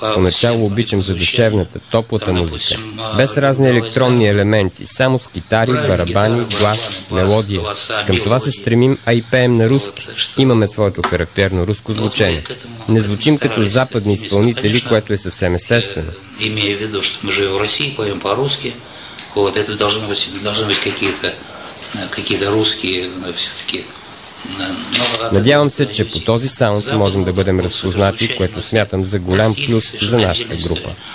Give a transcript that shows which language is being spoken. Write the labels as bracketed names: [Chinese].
[Bulgarian] Поначало обичам задушевната, топлата музика. Без разни електронни елементи, само с китари, барабани, глас, мелодия. Към това се стремим, а и пеем на руски. Имаме своето характерно руско звучение. Не звучим като западни изпълнители, което е съвсем естествено. [Russian] Имея в виду, че ми живе в Русия, поем по-руски. Вот, это должны быть какие-то русские, все-таки... [Bulgarian] Надявам се, че по този саунд можем да бъдем разпознати, което смятам за голям плюс за нашата група.